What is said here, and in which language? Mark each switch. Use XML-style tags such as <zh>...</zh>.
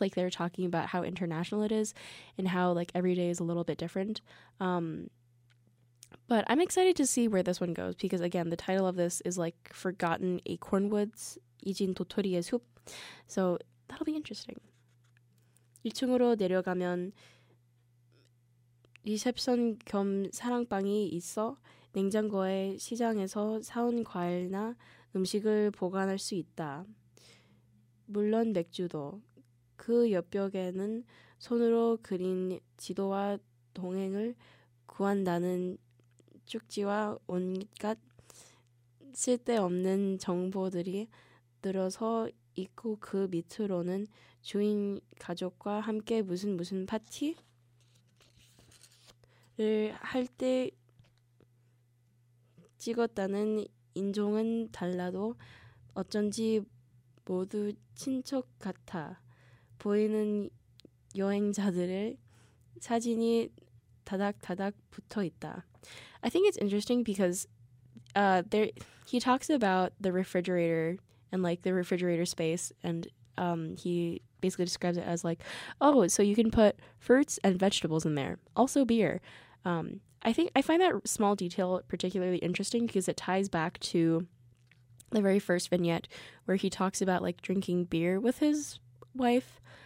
<en>Like they're talking about how international it is and how like every day is a little bit different. But I'm excited to see where this one goes because, again, the title of this is, like, Forgotten Acorn Woods,</en> <ko>잊은 도토리의 숲.</ko> <en>So that'll be interesting.</en> <ko>1층으로 내려가면 리셉션 겸 사랑방이 있어 냉장고에 시장에서 사온 과일이나 음식을 보관할 수 있다. 물론 맥주도. 그 옆벽에는 손으로 그린 지도와 동행을 구한다는 쪽지와 온갖 쓸데없는 정보들이 늘어서 있고 그 밑으로는 주인 가족과 함께 무슨 무슨 파티를 할 때 찍었다는 인종은 달라도 어쩐지 모두 친척 같아 보이는 여행자들의 사진이 다닥다닥 붙어 있다.</ko> <en>I think it's interesting because he talks about the refrigerator and like the refrigerator space, and he basically describes it as like, oh, so you can put fruits and vegetables in there, also beer. I find that small detail particularly interesting because it ties back to the very first vignette where he talks about like drinking beer with his wife.</en>